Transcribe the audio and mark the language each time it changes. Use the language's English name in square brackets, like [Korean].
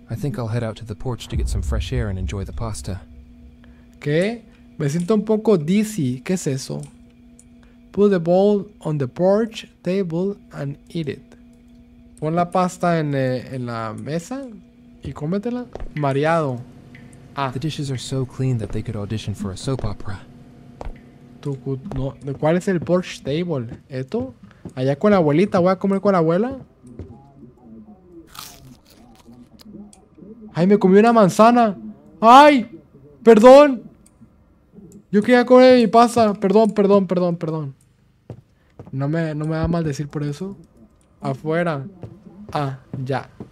[English] I think I'll head out to the porch to get some fresh air and enjoy the pasta. [Spanish] ¿Qué? Me siento un poco dizzy. ¿Qué es eso? [English] Put the bowl on the porch table and eat it. [Spanish] Pon la pasta en la mesa y cómetela. Mareado. Ah. [English] The dishes are so clean that they could audition for a soap opera. [Spanish] No, ¿cuál es el [English] porch table? [Spanish] ¿Esto? Allá con la abuelita. ¿Voy a comer con la abuela? ¡Ay, me comí una manzana! ¡Ay! ¡Perdón! Yo quería comer mi pasta. Perdón, perdón, perdón, perdón. No me va a maldecir por eso. Afuera. Ah, ya.